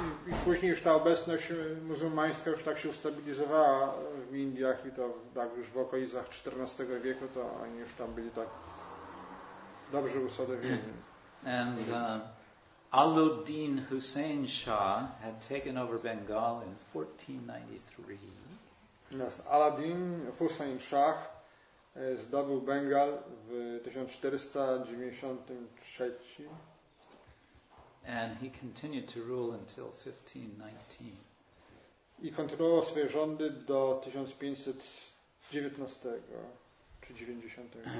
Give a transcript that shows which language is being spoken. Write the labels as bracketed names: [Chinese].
[Polish] I później już ta obecność muzułmańska już tak się ustabilizowała w Indiach i to tak już w okolicach XIV wieku, to oni już tam byli tak dobrze ustawieni. [English] And Alauddin Hussein Shah had taken over Bengal in 1493. [Polish] Yes, Alauddin Hussein Shah zdobył Bengal w 1493. [English] And he continued to rule until 1519. [Polish] I kontynuował swoje rządy do 1519 czy 90.